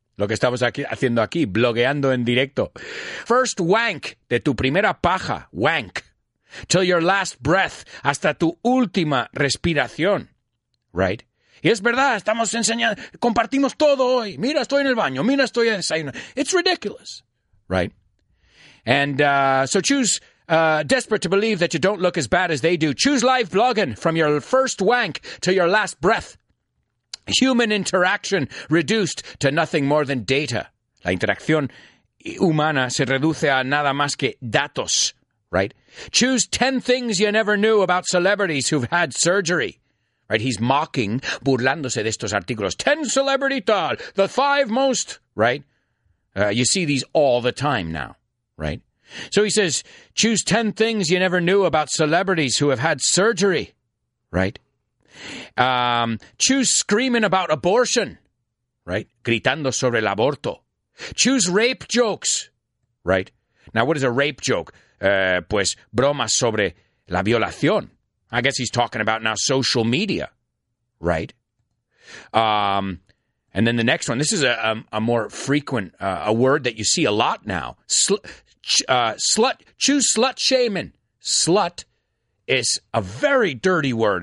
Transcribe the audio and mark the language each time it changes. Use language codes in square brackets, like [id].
[es] Lo que estamos aquí haciendo aquí, blogueando en directo. [en] First wank [es] de tu primera paja, wank. [en] Till your last breath, [es] hasta tu última respiración. [en] Right? [es] Y es verdad, estamos enseñando, compartimos todo hoy. Mira, estoy en el baño, mira, estoy en desayuno. [en] It's ridiculous. Right? And so choose... desperate to believe that you don't look as bad as they do. Choose live blogging from your first wank to your last breath. Human interaction reduced to nothing more than data. [es] La interacción humana se reduce a nada más que datos, right? [en] Choose 10 things you never knew about celebrities who've had surgery. Right? He's mocking, [es] burlándose de estos artículos. [en] 10 celebrity tal, the 5 most, right? You see these all the time now, right? So he says, choose 10 things you never knew about celebrities who have had surgery, right? Choose screaming about abortion, right? [es] Gritando sobre el aborto. [en] Choose rape jokes, right? Now, what is a rape joke? [es] Pues, bromas sobre la violación. [en] I guess he's talking about now social media, right? And then the next one, this is a more frequent, a word that you see a lot now. Choose slut shaming. Slut is a very dirty word.